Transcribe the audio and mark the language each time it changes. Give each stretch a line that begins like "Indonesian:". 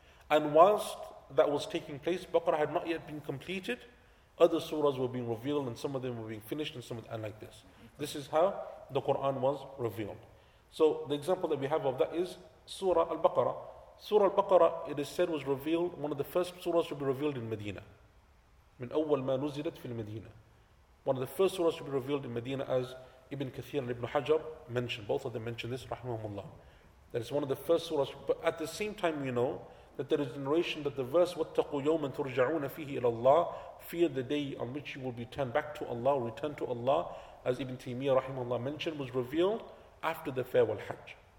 English: And whilst that was taking place, Baqarah had not yet been completed, other surahs were being revealed and some of them were being finished and some of them, and like this. This is how the Quran was revealed. So the example that we have of that is Surah Al-Baqarah. Surah Al-Baqarah, it is said, was revealed, one of the first surahs to be revealed in Medina.
Arabic: من أول ما نزلت في المدينة.
English: One of the first surahs to be revealed in Medina, as Ibn Kathir and Ibn Hajar mentioned, both of them mentioned this, rahimahumullah. That is one of the first surahs. But at the same time, we know that there is a narration that the verse
Arabic: وَاتَّقُوا يَوْمًا تُرْجَعُونَ فِيهِ إِلَى اللَّهِ,
English: fear the day on which you will be turned back to Allah, return to Allah, as Ibn Taymiyyah rahimahullah mentioned, was revealed after the farewell hajj.